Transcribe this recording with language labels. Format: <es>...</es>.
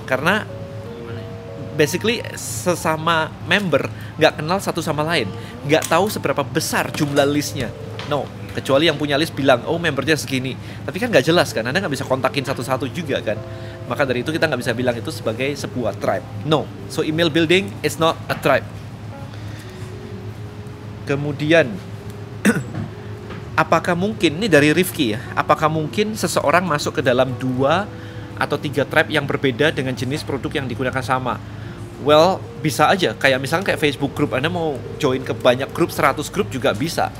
<id>Karena basically sesama member gak kenal satu sama lain. Gak tahu seberapa besar jumlah listnya. No. Kecuali yang punya list bilang, oh membernya segini. Tapi kan nggak jelas kan, Anda nggak bisa kontakin satu-satu juga kan. Maka dari itu kita nggak bisa bilang itu sebagai sebuah tribe.</id> <en>No, so email building is not a tribe.</en> <id>Kemudian, apakah mungkin, ini dari Rifki ya, apakah mungkin seseorang masuk ke dalam 2 atau 3 tribe yang berbeda dengan jenis produk yang digunakan sama? Well, bisa aja. Kayak misalnya kayak Facebook group, Anda mau join ke banyak grup, 100 grup juga bisa.</id>